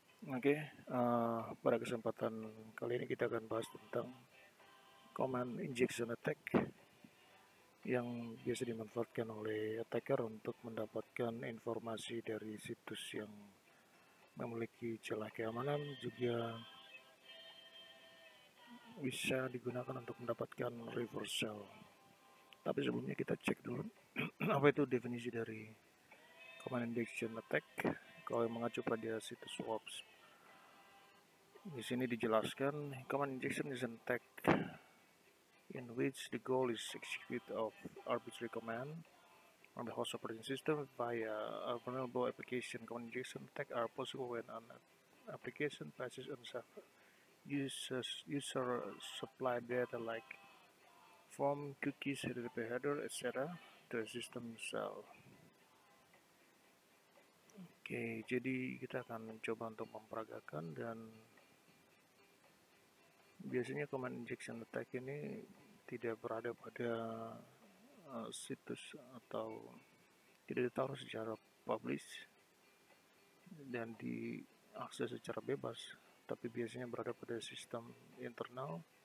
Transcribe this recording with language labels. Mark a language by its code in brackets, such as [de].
[id] Oke, pada kesempatan kali ini kita akan bahas tentang command injection attack yang biasa dimanfaatkan oleh attacker untuk mendapatkan informasi dari situs yang memiliki celah keamanan, juga bisa digunakan untuk mendapatkan reversal. Tapi sebelumnya kita cek dulu apa itu definisi dari command injection attack. Kalau mengacu pada situs WOPS, di sini dijelaskan [en] command injection is an attack in which the goal is execute of arbitrary command on the host operating system via a vulnerable application. Command injection attack are possible when an application passes on user supplied data like form, cookies, HTTP header, etc. to a system cell. [id] Oke, jadi kita akan mencoba untuk memperagakan, dan biasanya command injection attack ini tidak berada pada situs atau tidak ditaruh secara publish dan diakses secara bebas, tapi biasanya berada pada sistem internal.